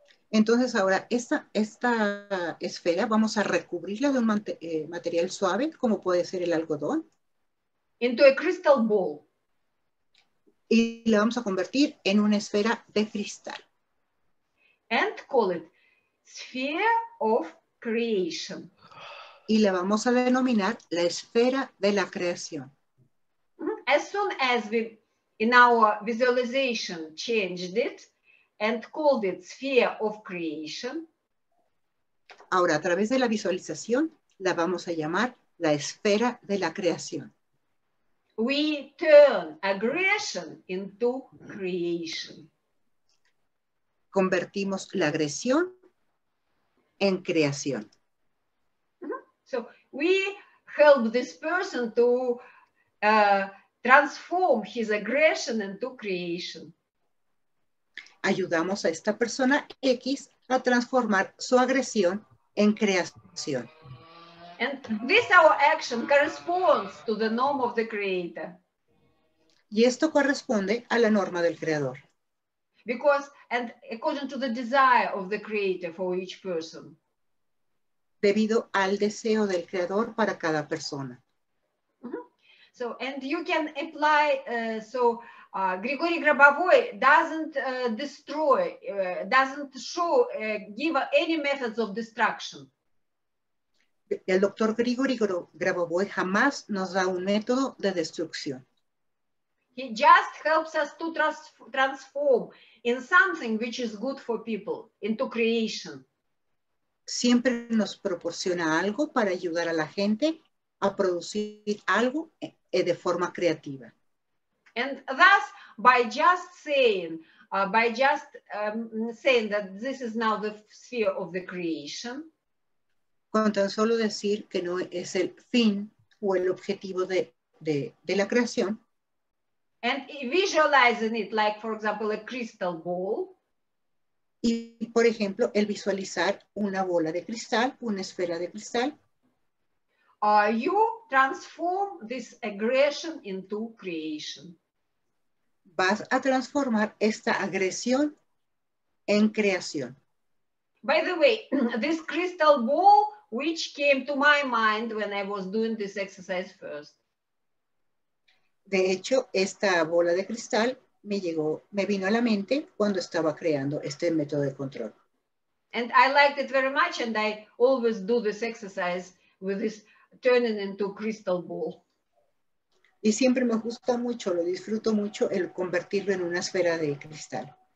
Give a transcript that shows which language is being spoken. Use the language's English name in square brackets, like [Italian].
[Spanish] Entonces ahora esta esfera vamos a recubrirla de un material suave, como puede ser el algodón. [English] Into a crystal ball. [Spanish] Y la vamos a convertir en una esfera de cristal. [English] And call it sphere of creation. [Spanish] Y la vamos a denominar la esfera de la creación. [English] As soon as we, in our visualization, changed it and called it sphere of creation. [Spanish] Ahora, a través de la visualización, la vamos a llamar la esfera de la creación. [English] We turn aggression into creation. [Spanish] Convertimos la agresión en creación. [English] So we help this person to transform his aggression into creation. [Spanish] Ayudamos a esta persona X a transformar su agresión en creación. [English] And this our action corresponds to the norm of the creator. [Spanish] Y esto corresponde a la norma del creador. [English] Because, and according to the desire of the creator for each person. [Spanish] Debido al deseo del creador para cada persona. [English] So, and you can apply, Grigori Grabovoi doesn't destroy, doesn't show, give any methods of destruction. [Spanish] El doctor Grigori Grabovoi jamás nos da un método de destrucción. [English] He just helps us to transform in something which is good for people, into creation. [Spanish] Siempre nos proporciona algo para ayudar a la gente a producir algo de forma creativa. [English] And thus, by just saying that this is now the sphere of the creation. [Spanish] Con tan solo decir que no es el fin o el objetivo de la creación. [English] And visualizing it like, for example, a crystal ball. [Spanish] Y, por ejemplo, el visualizar una bola de cristal, una esfera de cristal. [English] You transform this aggression into creation. [Spanish] Vas a transformar esta agresión en creación. [English] By the way, this crystal ball, which came to my mind when I was doing this exercise first. [Spanish] De hecho, esta bola de cristal me vino a la mente cuando estaba creando este método de control. [English] And I liked it very much, and I always do this exercise with this turning into crystal ball. [Spanish] Y siempre me gusta mucho, lo disfruto mucho, el convertirlo en una esfera de cristal.